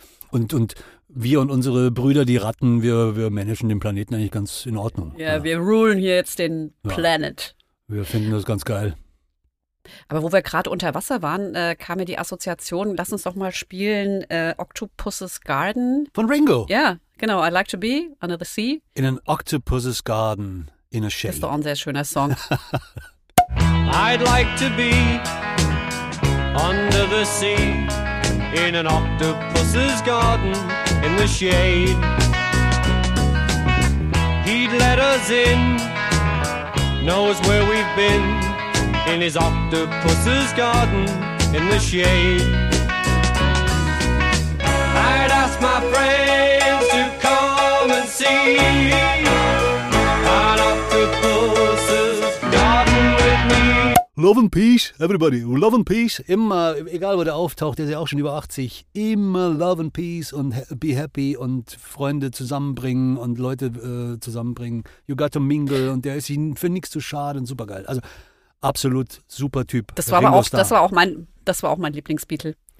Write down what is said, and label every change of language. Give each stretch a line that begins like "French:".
German: Und wir und unsere Brüder, die Ratten, wir managen den Planeten eigentlich ganz in Ordnung. Ja, wir rulen hier jetzt den Planet. Wir finden das ganz geil. Aber wo wir gerade unter Wasser waren, kam mir die Assoziation, lass uns doch mal spielen, Octopus's Garden. Von Ringo. Ja, genau.
English: I'd like to be under the sea. In an Octopus's Garden in a shell.
German: Ist doch auch ein sehr schöner Song.
English: I'd like to be under the sea in an octopus's garden in the shade. He'd let us in, knows where we've been. In his octopus's garden, in the shade. I'd ask my friends to come and see an octopus's garden with me. Love and Peace, everybody. Love and Peace.
German: Immer, egal wo der auftaucht, der ist ja auch schon über 80. Immer Love and Peace und
English: be happy
German: und Freunde zusammenbringen und Leute zusammenbringen.
English: You got to mingle.
German: Und der ist ihnen für nichts zu schade und supergeil. Also absolut super Typ. Das war aber auch, das war auch mein Lieblingsbeatle.